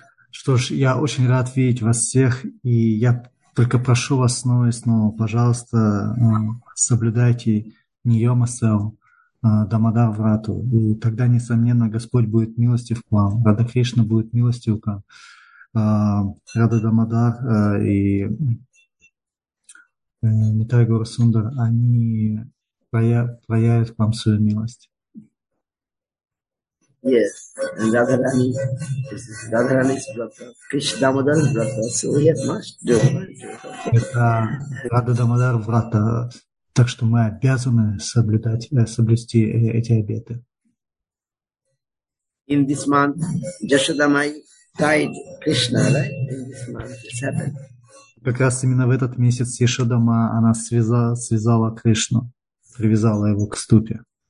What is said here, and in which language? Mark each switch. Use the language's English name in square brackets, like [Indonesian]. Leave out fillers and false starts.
[Russian] Что ж, я очень рад видеть вас всех, и я только прошу вас снова и снова, пожалуйста, соблюдайте Ниома Сел, Дамодар Врату, и тогда, несомненно, Господь будет милостив к вам, Рада Кришна будет милостив к вам, Рада Дамодар и Нитай Гаура Сундар, они проявят к вам свою милость. [English] Yes, and Radharani, this is Radharani's brother, Krishna Damodar's brother, so we have much to do. [Russian] Это Рада Дамодар Врата, так что мы обязаны соблюсти эти обеты. [English] In this month, Yashoda Mai tied Krishna, right? In this month, it's happened. [Russian] Как раз именно в этот месяц Yashoda Mai, она связала Кришну, привязала его к ступе.